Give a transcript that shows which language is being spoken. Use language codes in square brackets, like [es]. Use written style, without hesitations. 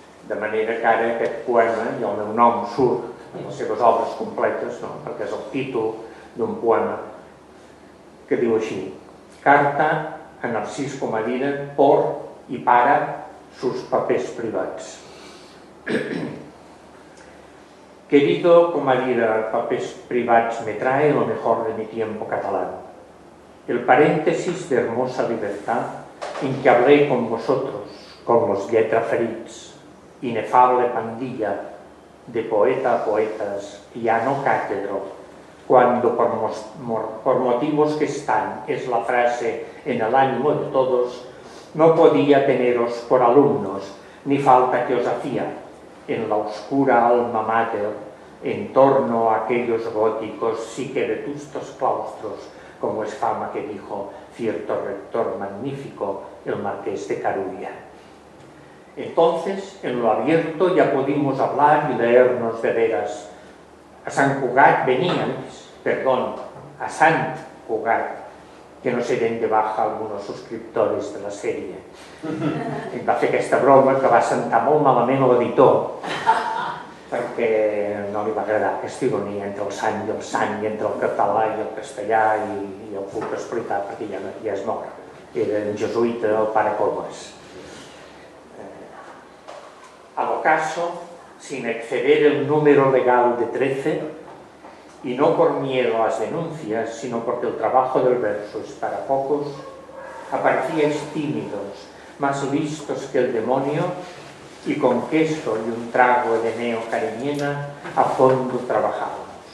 [ca] De manera que ara aquest poema, i el meu nom surt en les seves obres completes, no? Perquè és el títol d'un poema que diu així: Carta a Narcís Comadina por i para sus papers privats. [es] Querido Comadina, papers privats me trae lo mejor de mi tiempo catalán. El paréntesis de hermosa libertad en que hablé con vosotros, con los lletra ferits, inefable pandilla de poeta a poetas, ya no cátedro, cuando por motivos que están, es la frase en el ánimo de todos, no podía teneros por alumnos, ni falta que os hacía, en la oscura alma mater, en torno a aquellos góticos, sí que vetustos claustros, como es fama que dijo cierto rector magnífico, el marqués de Carulla. Entonces, en lo abierto, ya pudimos hablar y leernos de veras. A Sant Cugat veníamos, perdón, a Sant Cugat, que no se den de baja algunos suscriptores de la serie. [ca] Em va fer aquesta broma que va sentar molt malament l'editor, perquè no li va agradar aquesta ironia entre el sant i el sant, i entre el català i el castellà, i el puc explicar perquè ja és mort. Era en jesuïta el pare Comas. [es] Al ocaso, sin exceder el número legal de 13, y no por miedo a las denuncias, sino porque el trabajo del verso es para pocos, aparecíais tímidos, más listos que el demonio, y con queso y un trago de neo cariñena a fondo trabajábamos.